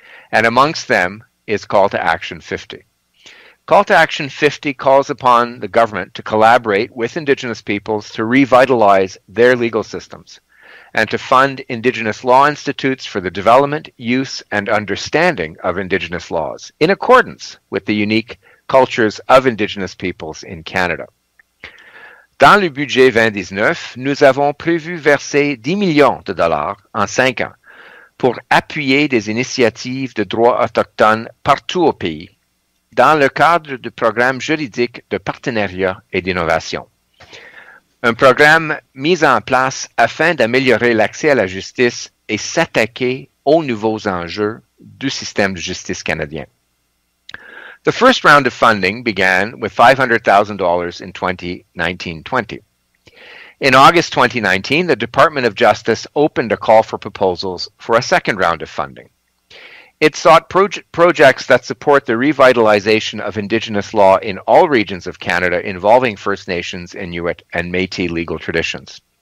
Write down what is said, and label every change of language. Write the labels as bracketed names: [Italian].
[English] And amongst them is Call to Action 50. Call to Action 50 calls upon the government to collaborate with Indigenous peoples to revitalize their legal systems and to fund Indigenous law institutes for the development, use, and understanding of Indigenous laws in accordance with the unique cultures of Indigenous peoples in Canada. [French] Dans le budget 2019, nous avons prévu verser 10 millions de dollars en 5 ans pour appuyer des initiatives de droits autochtones partout au pays dans le cadre du programme juridique de partenariat et d'innovation. Un programme mis en place afin d'améliorer l'accès à la justice et s'attaquer aux nouveaux enjeux du système de justice canadien. [English] The first round of funding began with $500,000 in 2019-20. In August 2019, the Department of Justice opened a call for proposals for a second round of funding. It sought projects that support the revitalization of Indigenous law in all regions of Canada involving First Nations, Inuit, and Métis legal traditions.